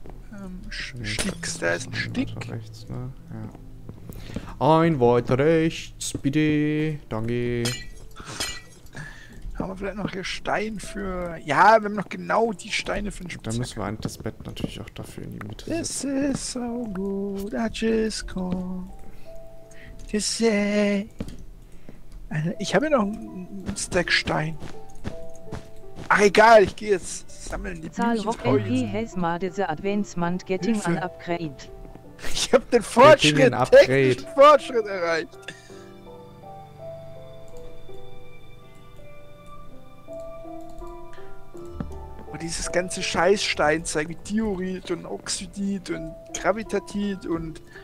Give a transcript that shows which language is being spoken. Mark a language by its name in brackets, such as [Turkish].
[German] Da Sticks, da ist ein Stick. Weiter rechts, ne? Ja. Ein weiter rechts, bitte. Danke. Haben wir vielleicht noch hier Stein für... Ja, wir haben noch genau die Steine für den Spitzhacken. Dann müssen wir ein das Bett natürlich auch dafür in die Mitte setzen. [English] This is so good, I just come to say. [German] Alter, ich habe ja noch einen Stack Stein. Ach egal, ich gehe jetzt sammeln. [English] Die Zahl Rock MP has made the advancement getting an upgrade. [German] Ich habe den Fortschritt, technischen Fortschritt erreicht. Und dieses ganze Scheißsteinzeug mit Diorit und Oxidit und Gravitatit und...